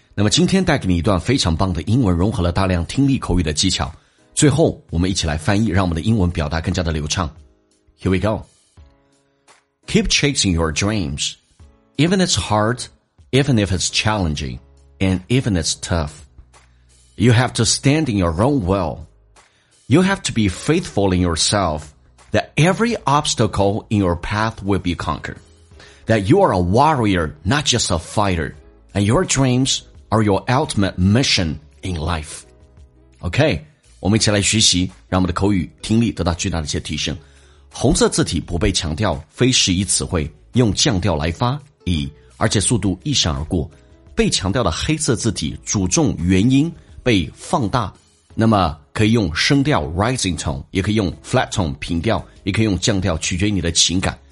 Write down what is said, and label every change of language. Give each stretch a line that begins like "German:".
Chinese: 那么今天带给你一段非常棒的英文，融合了大量听力口语的技巧，最后我们一起来翻译，让我们的英文表达更加的流畅。
English: Here we go. Keep chasing your dreams, even if it's hard, even if it's challenging, and even if it's tough. You have to stand in your own will. You have to be faithful in yourself, that every obstacle in your path will be conquered. That you are a warrior, not just a fighter. And your dreams are your ultimate mission in life.
Chinese: OK, 我们一起来学习，让我们的口语听力得到巨大的一些提升。红色字体不被强调，非是以词汇，用降调来发，以，而且速度一闪而过。被强调的黑色字体主重元音被放大，那么可以用升调 rising tone, 也可以用 flat tone 平调，也可以用降调，取决于你的情感。